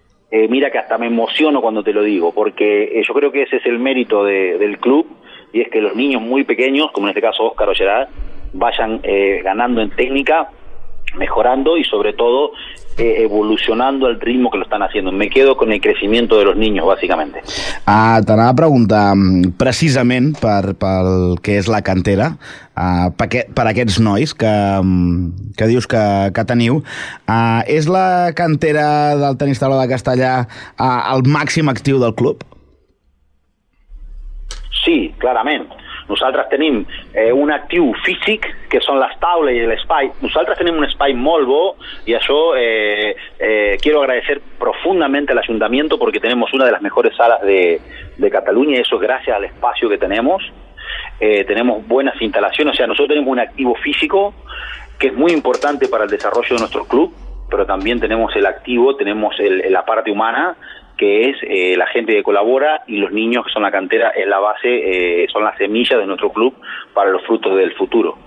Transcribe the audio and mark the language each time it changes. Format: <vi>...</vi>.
<es>Mira que hasta me emociono cuando te lo digo, porque yo creo que ese es el mérito del club, y es que los niños muy pequeños, como en este caso Óscar o Gerard, vayan ganando en técnica, mejorando y sobre todo evolucionando al ritmo que lo están haciendo. Me quedo con el crecimiento de los niños, básicamente.</es> <ca>T'anava a preguntar precisament pel que és la cantera, per aquests nois que dius que teniu. És la cantera del tenis taula de Castellà el màxim actiu del club? Sí, clarament. Nosaltres tenim un actiu físic, que són les taules i l'espai. Nosaltres tenim un espai molt bo i això</ca> <es>quiero agradecer profundamente al Ayuntamiento, porque tenemos una de las mejores salas de Cataluña, y eso gracias al espacio que tenemos. Tenemos buenas instalaciones, o sea, nosotros tenemos un activo físico que es muy importante para el desarrollo de nuestro club, pero también tenemos el activo, tenemos la parte humana, que es la gente que colabora, y los niños que son la cantera, es la base, son las semillas de nuestro club para los frutos del futuro.</es>